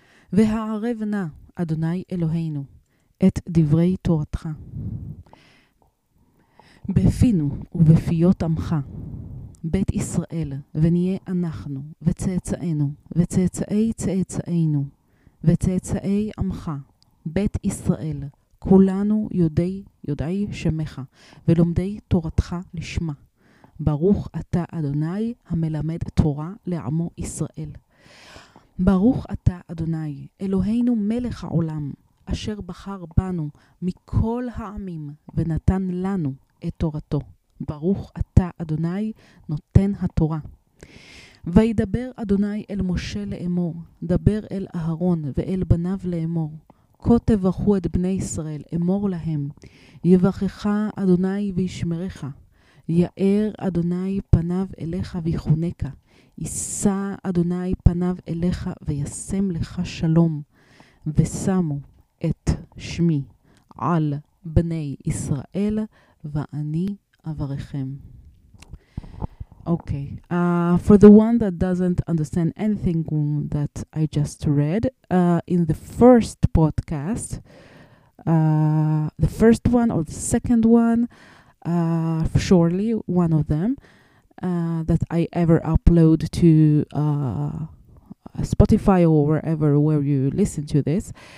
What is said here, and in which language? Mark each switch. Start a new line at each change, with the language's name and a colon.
Hebrew: v'ha'arev na Adonai Eloheinu et divrei Torah b'finu u'b'fiyot amcha בית ישראל, ונהיה אנחנו, וצאצאינו, וצאצאי צאצאינו, וצאצאי עמך, בית ישראל, כולנו יודעי שמך, ולומדי תורתך לשמה. ברוך אתה אדוני המלמד תורה לעמו ישראל. ברוך אתה אדוני, אלוהינו מלך העולם, אשר בחר בנו מכל העמים, ונתן לנו את תורתו. ברוך אתה אדוני נותן התורה. וידבר אדוני אל משה לאמור, דבר אל אהרון ואל בניו לאמור, כה תברכו את בני ישראל, אמור להם, יברכך אדוני וישמרך, יאר אדוני פניו אליך ויחונקה, ישא אדוני פניו אליך וישם לך שלום, ושמו את שמי על בני ישראל, ואני Avarechem.
English: Okay. For the one that doesn't understand anything that I just read, in the first podcast, the first one or the second one, surely one of them, that I ever upload to Spotify or wherever where you listen to this.